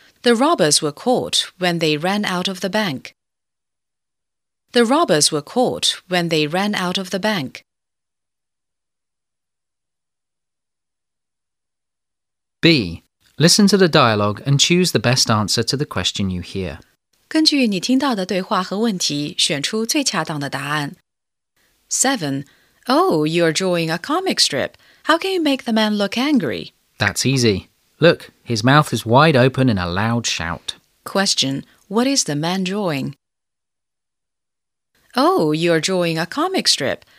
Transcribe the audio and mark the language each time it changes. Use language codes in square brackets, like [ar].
[en] The robbers were caught when they ran out of the bank. The robbers were caught when they ran out of the bank. B. Listen to the dialogue and choose the best answer to the question you hear. [zh] 根据你听到的对话和问题，选出最恰当的答案。 [en] 7. Oh, you're drawing a comic strip. How can you make the man look angry? That's easy. Look, his mouth is wide open in a loud shout. Question, what is the man drawing? Oh, you're drawing a comic strip.